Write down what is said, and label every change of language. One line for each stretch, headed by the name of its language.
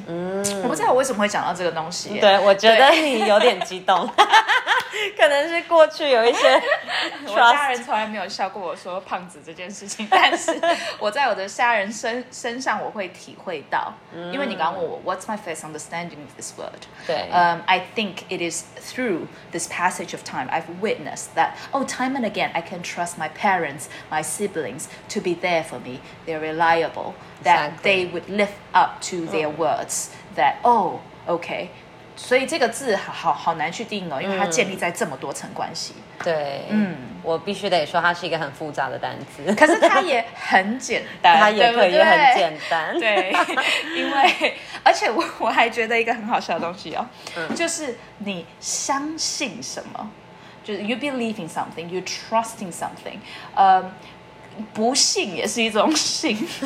Chinese: 嗯，我不知道我为什么会讲到这个东西。对，我觉得你有点激动。可能是过去有一些我家人从来没有笑过我说胖子这件事情，但是我在我的家人 身上我会体会到。嗯，因为你刚问我
English: What's my first understanding of this word?
Chinese: 对，
English: I think it is through this passage of time I've witnessed that oh time and again I can trust my parents, my siblings to be there for me, they're reliable, that exactly. they would live up to their words, that oh okay.
Chinese: 所以这个字 好难去定哦，因为它建立在这么多层关系。嗯，对，嗯，我必须得说它是一个很复杂的单字，可是它也很简单。它也可以很简单。对， 对，因为而且 我还觉得一个很好笑的东西哦，嗯，就是你相信什么，就是
English: you believe in something,
Chinese: you trust in something、不信也是一种信。